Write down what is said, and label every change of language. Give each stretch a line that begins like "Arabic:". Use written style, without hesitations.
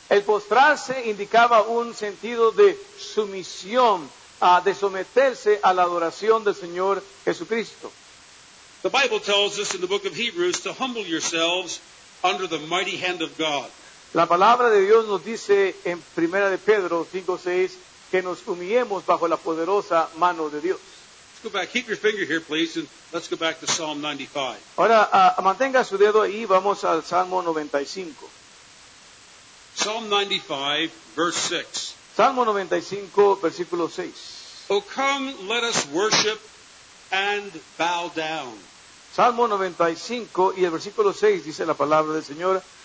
Spanish: El postrarse indicaba un sentido de sumisión, de someterse a la adoración del Señor Jesucristo.
English: The Bible tells us in the book of Hebrews to humble yourselves under the mighty hand of God.
Spanish: La palabra de Dios nos dice en Primera de Pedro 5:6 que nos humillemos bajo la poderosa mano de Dios.
English: Let's go back. Keep your finger here, please, and let's go back to Psalm 95.
Spanish: Ahora, mantenga su dedo ahí. Vamos al Salmo 95.
English: Psalm 95, verse 6.
Spanish: Salmo 95, versículo 6.
English: Oh, come, let us worship and bow down.
Spanish: Salmo 95 y el versículo 6 dice la palabra del Señor.